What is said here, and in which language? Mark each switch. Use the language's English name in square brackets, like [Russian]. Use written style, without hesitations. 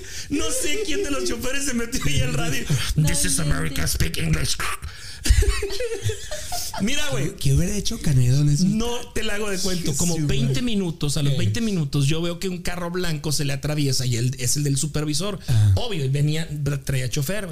[Spanish] No sé quién de los choferes se metió ahí al radio. [English] This is America, speak English. [Spanish] Mira, güey. ¿Qué hubiera hecho Canedo en eso? No te la hago de cuento. Como 20 minutos, a los 20 minutos, yo veo que un carro blanco se le atraviesa y él es el del supervisor. Ah. Obvio, él venía, traía chofer.